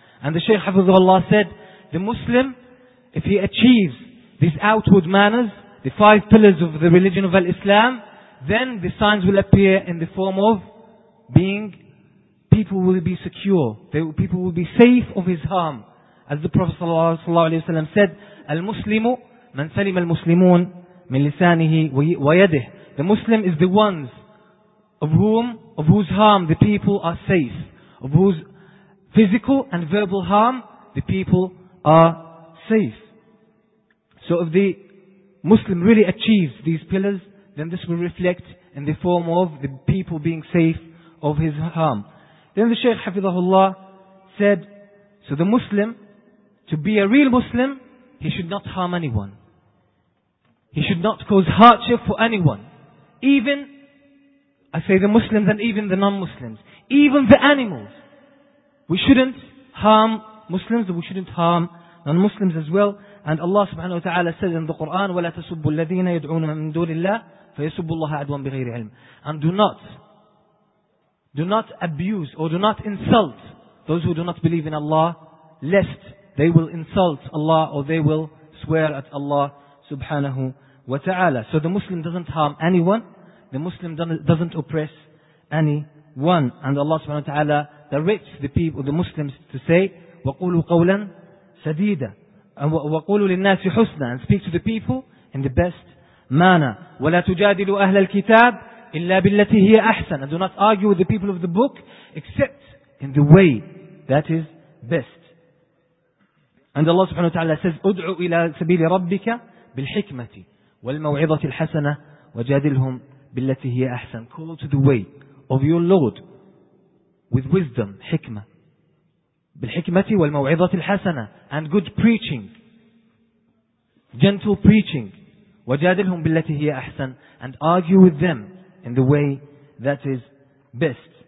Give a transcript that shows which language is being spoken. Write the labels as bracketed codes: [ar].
[en] And the Shaykh Hafizullah said, the Muslim, if he achieves these outward manners, the five pillars of the religion of Al-Islam, then the signs will appear in the form of being, people will be secure, people will be safe of his harm. As the Prophet ﷺ said, Al-Muslimu, [ar] من سلم المسلمون من لسانه ويده. [en] The Muslim is the ones of whose harm the people are safe, of whose physical and verbal harm the people are safe. So if the Muslim really achieves these pillars, then this will reflect in the form of the people being safe of his harm. Then the Shaykh Hafidhullah said, so the Muslim, to be a real Muslim, he should not harm anyone. He should not cause hardship for anyone. Even, I say the Muslims and even the non-Muslims, even the animals. We shouldn't harm Muslims, we shouldn't harm non-Muslims as well. And Allah subhanahu wa ta'ala says in the Quran, [ar] وَلَا تَسُبُّ الَّذِينَ يَدْعُونَ مِنْ دُونِ اللَّهِ فَيَسُبُّ اللَّهَ عَدْوًا بِغَيْرِ عِلْمٍ. [en] And do not abuse or do not insult those who do not believe in Allah, lest they will insult Allah or they will swear at Allah subhanahu wa ta'ala. So the Muslim doesn't harm anyone, The Muslim doesn't oppress any one, and Allah subhanahu wa ta'ala directs the people, the Muslims, to say, [ar] وَقُولُوا قَوْلًا سَدِيدًا وَقُولُوا لِلنَّاسِ حُسْنًا, [en] and speak to the people in the best manner. [ar] وَلَا تُجَادِلُوا أَهْلَ الْكِتَابِ إِلَّا بِالَّتِي هِيَ أَحْسَنًا, [en] and do not argue with the people of the book except in the way that is best. And Allah subhanahu wa ta'ala says, [ar] أُدْعُوا إِلَى سَبِيلِ رَبِّكَ بِالْحِكْمَةِ وَالْمَوْعِظَةِ الْحَسَنَةِ وَجَادِلْهُمْ بِالَّتِي هِيَ أَحْسَنًا. [en] Call to the way of your Lord with wisdom, hikmah. [ar] بِالْحِكْمَةِ وَالْمَوْعِظَةِ الْحَسَنَةِ, [en] and good preaching, gentle preaching. [ar] وَجَادِلْهُمْ بِالَّتِي هِيَ أَحْسَنَةِ, [en] and argue with them in the way that is best.